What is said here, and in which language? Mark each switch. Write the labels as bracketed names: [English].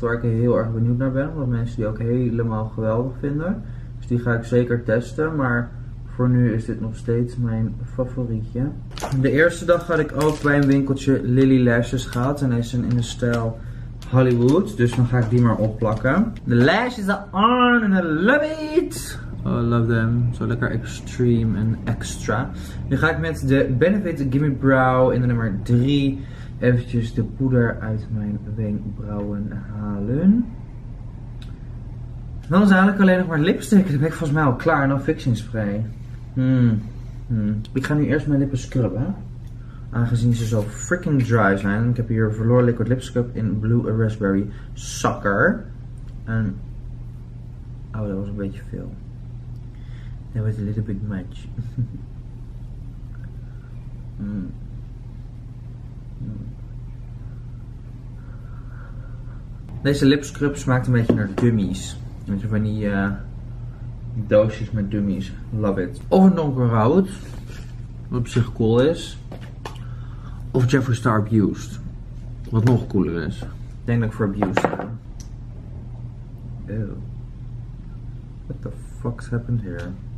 [Dutch] Waar ik heel erg benieuwd naar ben. Want mensen die ook helemaal geweldig vinden. Dus die ga ik zeker testen. Maar voor nu is dit nog steeds mijn favorietje. De eerste dag had ik ook bij een winkeltje Lily Lashes gehad. En deze zijn in de stijl Hollywood. Dus dan ga ik die maar opplakken. [English] De lashes are on and I love it. Oh, I love them. [Dutch] Zo lekker extreme en extra. Nu ga ik met de Benefit Gimme Brow in de nummer 3 eventjes de poeder uit mijn wenkbrauwen halen. Dan is eigenlijk alleen nog maar lipstick. Dan ben ik volgens mij al klaar. En dan fixing spray. Ik ga nu eerst mijn lippen scrubben. Aangezien ze zo [English] freaking dry [Dutch] zijn. Ik heb hier Velour Liquid Lip Scrub in Blue Raspberry Sucker. En oh, dat was een beetje veel. [English] That was a little bit much. [Dutch] Deze lipscrub smaakt een beetje naar dummies. Met van die doosjes met dummies. [English] Love it. [Dutch] Of een donkerrood. Wat op zich cool is. Of Jeffree Star Abused. Wat nog cooler is. Denk dat ik voor Abused ga. Ew. [English] What the fuck's happened here?